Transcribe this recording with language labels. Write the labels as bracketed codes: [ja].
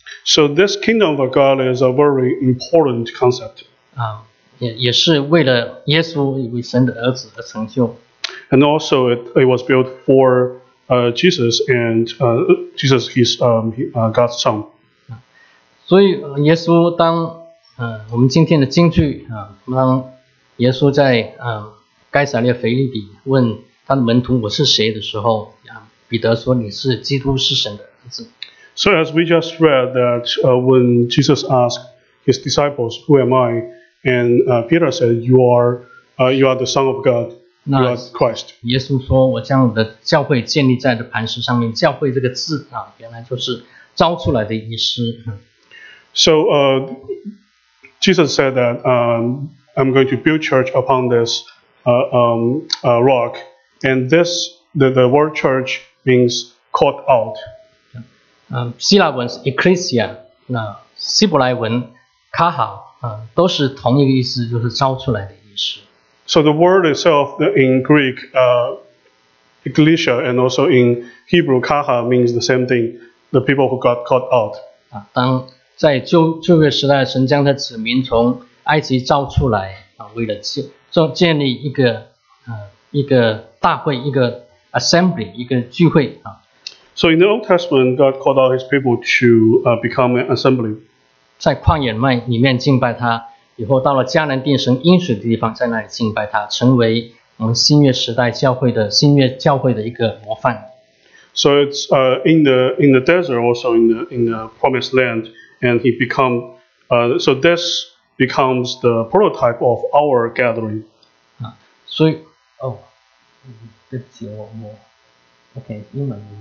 [en] So this kingdom of God is a very important concept. [zh] 也是为了耶稣为神的儿子而成就。 [en] And also it was built for Jesus and Jesus his God's son. [zh] 所以耶稣当我们今天的经句当耶稣在该撒列腓立比问他的门徒我是谁的时候彼得说你是基督是神的儿子。 [en] So as we just read that when Jesus asked his disciples, who am I? And Peter said, you are the son of God. 那 Christ. [zh] 耶稣说我将我的教会建立在的磐石上面教会这个字原来就是招出来的意思。 [en] So, Jesus said that, I'm going to build church upon this, rock. And this, the word church means called out. [zh] 希腊文是 ecclesia, 那希伯来文 kaha, 都是同一个意思就是招出来的意思。 [en] So the word itself in Greek, ecclesia, and also in Hebrew, kaha means the same thing, the people who got caught out. [zh] 当在旧约时代，神将他子民从埃及召出来，为了建立一个大会，一个 assembly, 一个聚会。 [en] So in the Old Testament, God called out his people to become an assembly. [zh] 在旷野里面敬拜他。以后到了迦南地神应许的地方，在那里敬拜他，成为我们新约时代教会的新约教会的一个模范。 [en] So it's in the desert, also in the promised land, and he become so this becomes the prototype of our gathering. [zh] 所以对不起我 OK 英文